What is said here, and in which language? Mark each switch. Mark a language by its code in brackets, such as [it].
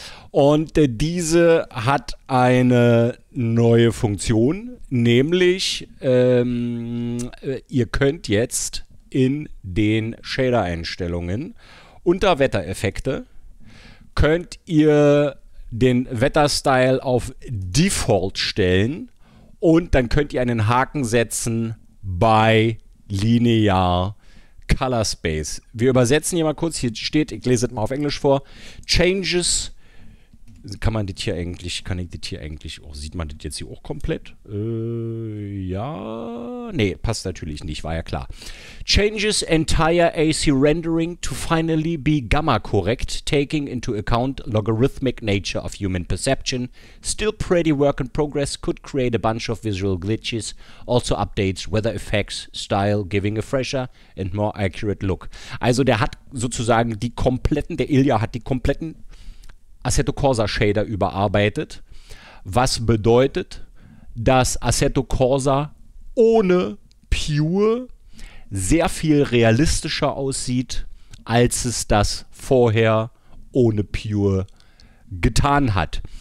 [de] Und diese hat eine neue Funktion, nämlich ihr könnt jetzt in den Shader-Einstellungen unter Wettereffekte könnt ihr den Wetterstyle auf Default stellen und dann könnt ihr einen Haken setzen bei Linear Color Space. Wir übersetzen hier mal kurz. Hier steht, ich lese es mal auf Englisch vor. Changes. Kann ich das hier eigentlich auch, sieht man das jetzt hier auch komplett? Ja. Nee, passt natürlich nicht, war ja klar. [en] Changes entire AC rendering to finally be gamma correct, taking into account logarithmic nature of human perception. Still pretty work in progress, could create a bunch of visual glitches. Also updates weather effects, style, giving a fresher and more accurate look. [de] Also der hat sozusagen die kompletten, der Ilya hat die kompletten Assetto Corsa Shader überarbeitet, was bedeutet, dass Assetto Corsa ohne Pure sehr viel realistischer aussieht, als es das vorher ohne Pure getan hat.